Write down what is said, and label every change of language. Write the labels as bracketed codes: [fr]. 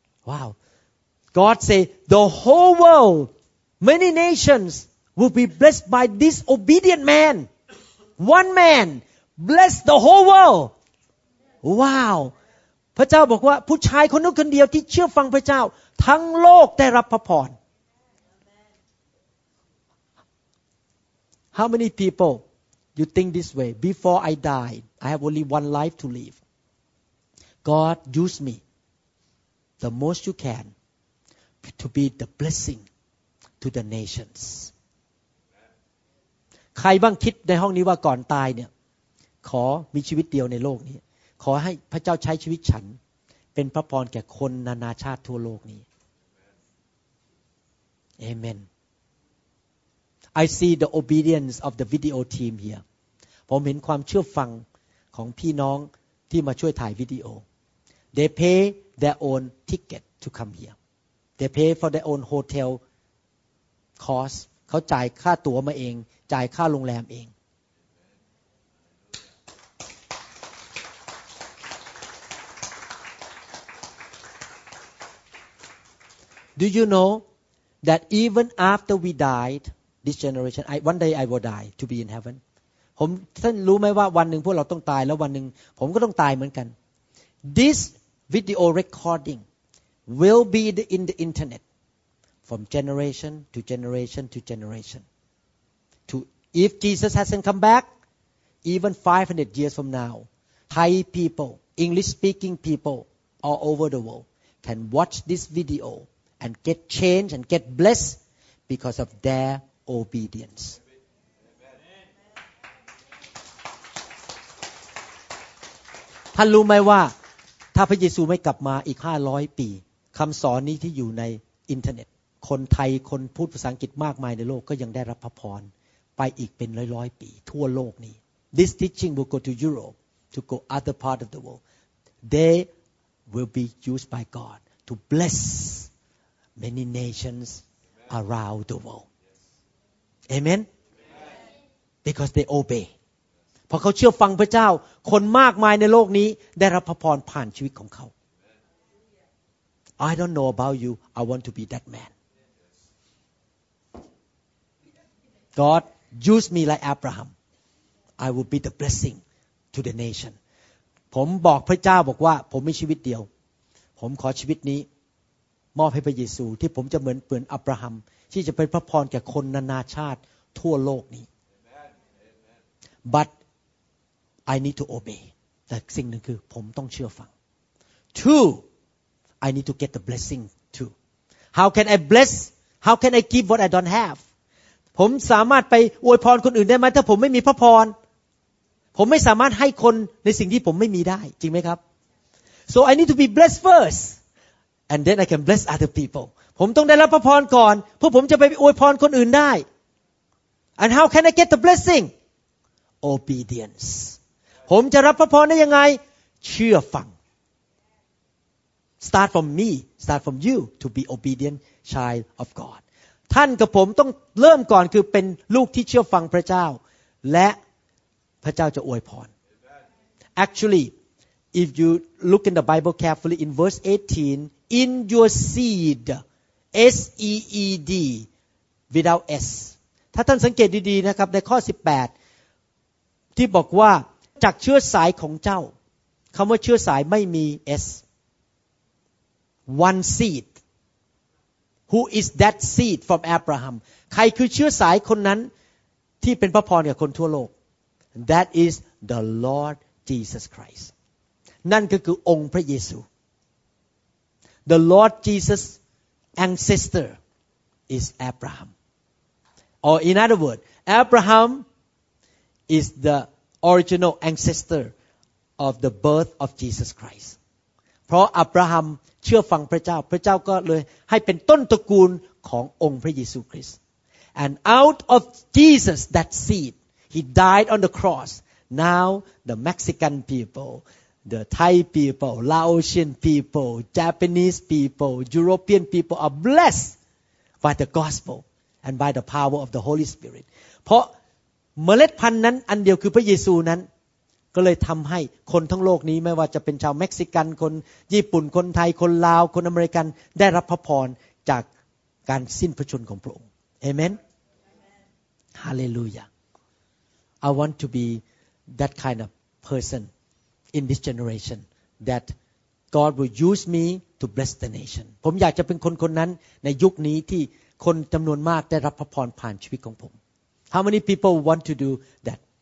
[en] ว้าว God say the whole world many nations will be blessed by this obedient man one man bless the whole world [th] ว้าวพระเจ้าบอกว่าผู้ชายคนนึงคนเดียวที่เชื่อฟังพระเจ้าทั้งโลกได้รับพระพร [en] How many people you think this way before I die I have only one life to live God use me the most you can to be the blessing to the nations [th] ใครบ้างคิดในห้องนี้ว่าก่อนตายเนี่ยขอมีชีวิตเดียวในโลกนี้ขอให้พระเจ้าใช้ชีวิตฉันเป็นพระพรแก่คนนานาชาติทั่วโลกนี้Amen. [en] I see the obedience of the video team here. [th] ผมเห็นความเชื่อฟังของพี่น้องที่มาช่วยถ่ายวิดีโอ [en] They pay their own ticket to come here. They pay for their own hotel cost. [th] เขาจ่ายค่าตั๋วมาเองจ่ายค่าโรงแรมเอง [en] Do you know? That even after we died, this generation, one day I will die to be in heaven. [th] ผมท่านรู้ไหมว่าวันนึงพวกเราต้องตายแล้ววันนึงผมก็ต้องตายเหมือนกัน [en] This video recording will be in the internet from generation to generation to generation. To if Jesus hasn't come back, even 500 years from now, Thai people, English speaking people all over the world can watch this video. And get changed and get blessed because of their obedience. [th] ท่านรู้ไหมว่าถ้าพระเยซูไม่กลับมาอีก500ปีคำสอนนี้ที่อยู่ในอินเทอร์เน็ตคนไทยคนพูดภาษาอังกฤษมากมายในโลกก็ยังได้รับพระพรไปอีกเป็นร้อยๆปีทั่วโลกนี้ [en] This teaching will go to Europe to go other part of the world. They will be used by God to blessMany nations around the world. Amen? Because they obey. [th] เพราะเขาเชื่อฟังพระเจ้าคนมากมายในโลกนี้ได้รับพระพรผ่านชีวิตของเขา [en] I don't know about you. I want to be that man. God, use me like Abraham. I will be the blessing to the nation. [th] ผมบอกพระเจ้าบอกว่าผมมีชีวิตเดียวผมขอชีวิตนี้ มอบให้พระเยซูที่ผมจะเหมือนอับราฮัมที่จะเป็นพระพรแก่คนนานาชาติทั่วโลกนี้ [en] but I need to obey [th] แต่สิ่งหนึ่งคือผมต้องเชื่อฟัง [en] two I need to get the blessing too how can I bless how can I give what I don't have [th] ผมสามารถไปอวยพรคนอื่นได้ไหมถ้าผมไม่มีพระพรผมไม่สามารถให้คนในสิ่งที่ผมไม่มีได้จริงไหมครับ [en] so I need to be blessed firstAnd then I can bless other people. [th] ผมต้องได้รับพระพรก่อนเพื่อผมจะไปอวยพรคนอื่นได้ [en] And how can I get the blessing? Obedience. [th] ผมจะรับพระพรได้ยังไงเชื่อฟัง [en] Start from me. Start from you to be obedient child of God. [th] ท่านกับผมต้องเริ่มก่อนคือเป็นลูกที่เชื่อฟังพระเจ้าและพระเจ้าจะอวยพร [en] Actually, if you look in the Bible carefully in verse 18,In your seed, S-E-E-D, without S. [th] ถ้าท่านสังเกตดีๆนะครับในข้อ18ที่บอกว่าจากเชื้อสายของเจ้าคำว่าเชื้อสายไม่มี S. [en] One seed. Who is that seed from Abraham? [th] ใครคือเชื้อสายคนนั้นที่เป็นพระพรแก่คนทั่วโลก [en] That is the Lord Jesus Christ. [th] นั่นก็คือองค์พระเยซู [en] The Lord Jesus' ancestor is Abraham. Or in other words, Abraham is the original ancestor of the birth of Jesus Christ. [th] เพราะอับราฮัมเชื่อฟังพระเจ้าพระเจ้าก็เลยให้เป็นต้นตระกูลขององค์พระเยซูคริสต์ [en] And out of Jesus, that seed, he died on the cross. Now the Mexican people... The Thai people, Laotian people, Japanese people, European people are blessed by the gospel and by the power of the Holy Spirit. [th] เพราะเมล็ดพันธุ์นั้นอันเดียวคือพระเยซูนั้นก็เลยทำให้คนทั้งโลกนี้ไม่ว่าจะเป็นชาวเม็กซิกันคนญี่ปุ่นคนไทยคนลาวคนอเมริกันได้รับพระพรจากการสิ้นพระชนของพระองค์ Amen. [en] Hallelujah. I want to be that kind of person. In this generation, that God will use me to bless the nation. [th] ผมอยากจะเป็นคนคนนั้นในยุคนี้ที่คนจำนวนมากได้รับพระพรผ่านชีวิตของผม [en] How many people want to do that?